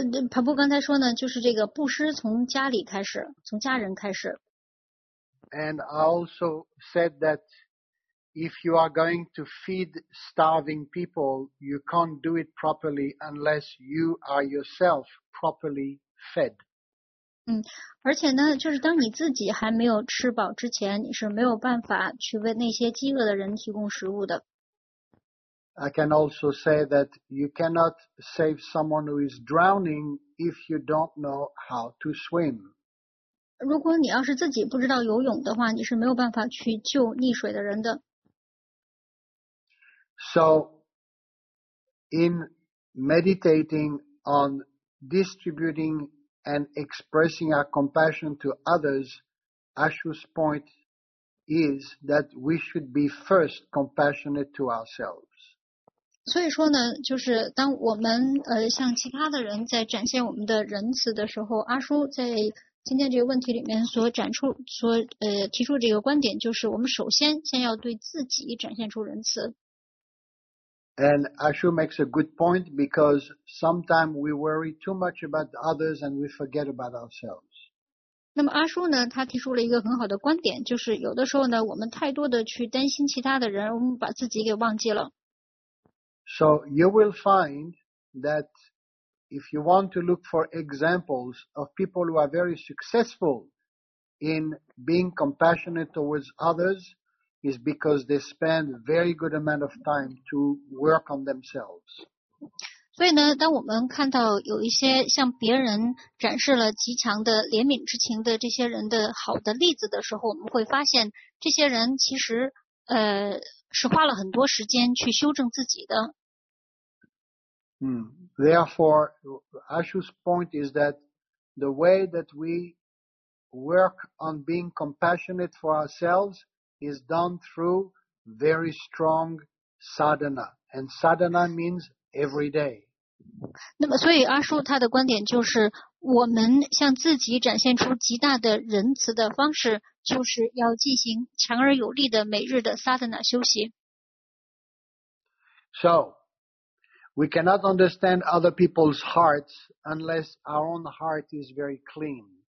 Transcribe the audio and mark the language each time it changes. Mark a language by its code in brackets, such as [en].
[zh] 帕布刚才说呢，就是这个布施从家里开始，从家人开始。 [en] And I also said that if you are going to feed starving people, you can't do it properly unless you are yourself properly fed. [zh] 而且呢，就是当你自己还没有吃饱之前，你是没有办法去为那些饥饿的人提供食物的。 [en] I can also say that you cannot save someone who is drowning if you don't know how to swim. [zh] 如果你要是自己不知道游泳的话，你是没有办法去救溺水的人的。 [en] So, in meditating on distributing and expressing our compassion to others, Ashu's point is that we should be first compassionate to ourselves. [zh] 所以说呢，就是当我们向其他的人在展现我们的仁慈的时候，阿叔在今天这个问题里面提出这个观点，就是我们首先先要对自己展现出仁慈。 [en] And Ashu makes a good point because sometimes we worry too much about others and we forget about ourselves. [zh] 那么阿叔呢，他提出了一个很好的观点，就是有的时候呢，我们太多的去担心其他的人，我们把自己给忘记了。 [en] So you will find that if you want to look for examples of people who are very successful in being compassionate towards others is because they spend a very good amount of time to work on themselves. [zh] 所以呢，当我们看到有一些向别人展示了极强的怜悯之情的这些人的好的例子的时候，我们会发现这些人其实是花了很多时间去修正自己的。 [en] Therefore, Ashu's point is that the way that we work on being compassionate for ourselves is done through very strong sadhana. And sadhana means every day. [zh] 那么所以阿叔他的观点就是我们向自己展现出极大的仁慈的方式就是要进行强而有力的每日的 sadhana 修习。 [en] So, we cannot understand other people's hearts unless our own heart is very clean.